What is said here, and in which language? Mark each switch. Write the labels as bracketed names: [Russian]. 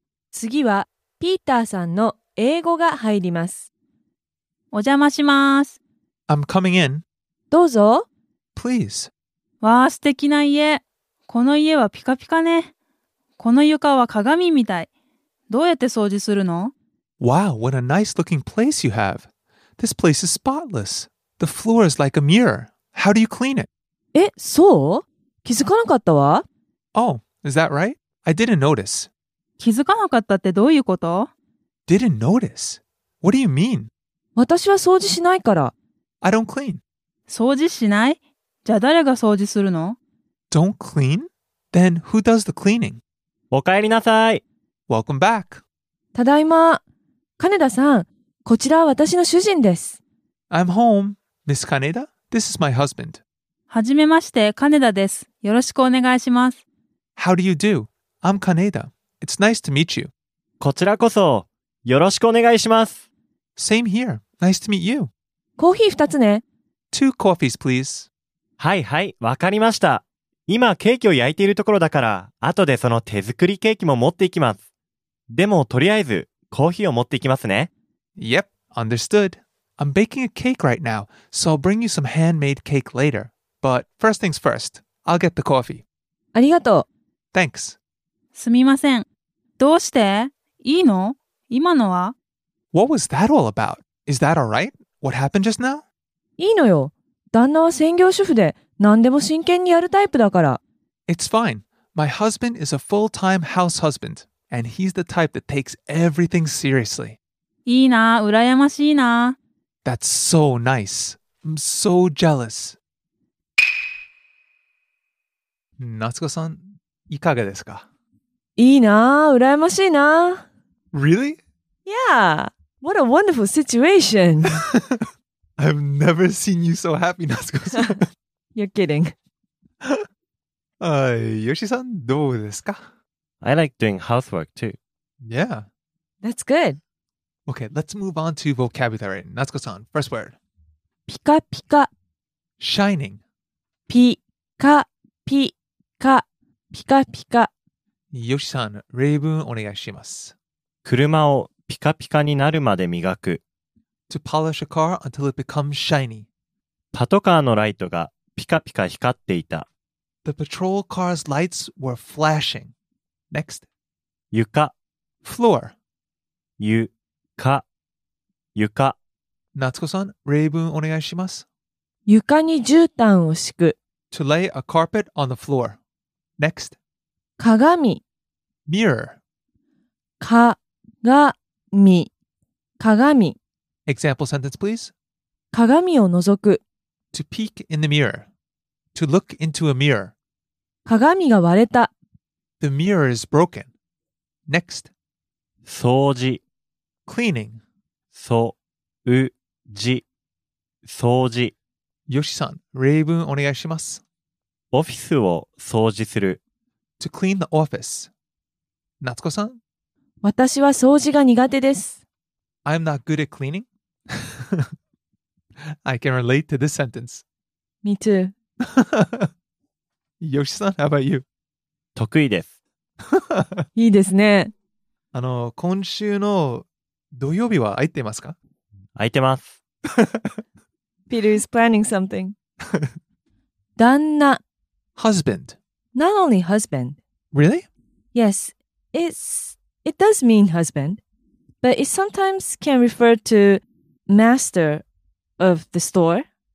[Japanese] 次はピーターさんの英語が入ります。お邪魔します。 [English] I'm coming in. [Japanese] どうぞ。 [English] Please. [Japanese] わあ、素敵な家。この家はピカピカね。この床は鏡みたい。どうやって掃除するの？ [English] Wow, what a nice looking place you have. This place is spotless. The floor is like a mirror. How do you clean it? [Japanese] え、そう？気づかなかったわ。 [English] Oh, is that right? I didn't notice. [Japanese] 気づかなかったってどういうこと？ [English] Didn't notice? What do you mean? [Japanese] 私は掃除しないから。 [English] I don't clean. [Japanese] 掃除しない？じゃあ誰が掃除するの？ [English] Don't clean? Then who does the cleaning? [Japanese] お帰りなさい。 [English] Welcome back. [Japanese] ただいま。金田さん、こちらは私の主人です。 [English] I'm home. Miss Kaneda, this is my husband. [Japanese] はじめまして、金田です。よろしくお願いします。 [English] How do you do? I'm Kaneda. It's nice to meet you. [Japanese] こちらこそ。よろしくお願いします。 [English] Same here. Nice to meet you. [Japanese] コーヒー二つね。 [English] Two coffees, please. [Japanese] はいはい、わかりました。今ケーキを焼いているところだから、後でその手作りケーキも持っていきます。でもとりあえずコーヒーを持って行きますね。 [English] Yep, understood. I'm baking a cake right now, so I'll bring you some handmade cake later. But first things first, I'll get the coffee. [Japanese] ありがとう。 [English] Thanks. [Japanese] すみません。どうして?いいの?今のは? [English] What was that all about? Is that all right? What happened just now? [Japanese] いいのよ。旦那は専業主婦で何でも真剣にやるタイプだから。 [English] It's fine. My husband is a full-time house husband, and he's the type that takes everything seriously. [Japanese] いいな、羨ましいな。 [English] That's so nice. I'm so jealous. [Japanese] 夏子さん、いかがですか? いいな、羨ましいな。 [English] Really? Yeah. What a wonderful situation. I've never seen you so happy, Natsuko-san. You're kidding. [Japanese] Yoshi-san, どうですか? [English] I like doing housework too. Yeah. That's good. Okay, let's move on to vocabulary. Natsuko-san, first word. [Japanese] Pika pika. [English] Shining. [Japanese] Pika pika. Pika pika. Yoshi-san, 例文お願いします。車をピカピカになるまで磨く。 [English] To polish a car until it becomes shiny. [Japanese] パトカーのライトがピカピカ光っていた。 [English] The patrol car's lights were flashing. Next. [Japanese] 床 [English] Floor. [Japanese] 床床夏子さん、例文お願いします。床に絨毯を敷く。 [English] To lay a carpet on the floor. Next. [Japanese] 鏡 [English] Mirror. [Japanese] 鏡鏡 [English] Example sentence, please. [Japanese] 鏡を覗く [English] To peek in the mirror. To look into a mirror. [Japanese] 鏡が割れた [English] The mirror is broken. Next. [Japanese] 掃除 [English] Cleaning. [Japanese] 掃除掃除 Yoshi さん、例文お願いします。オフィスを掃除する [English] To clean the office. 夏子さん [Japanese] 私は掃除が苦手です。 [English] I'm not good at cleaning. I can relate to this sentence. Me too. Yoshi-san, how about you? [Japanese] 得意です。いいですね。今週の土曜日は空いてますか? 空いてます。 [English] Peter is planning something. [Japanese] 旦那。 [English] Husband. Not only husband. Really? Yes. It does mean husband, but it sometimes can refer to master of the store.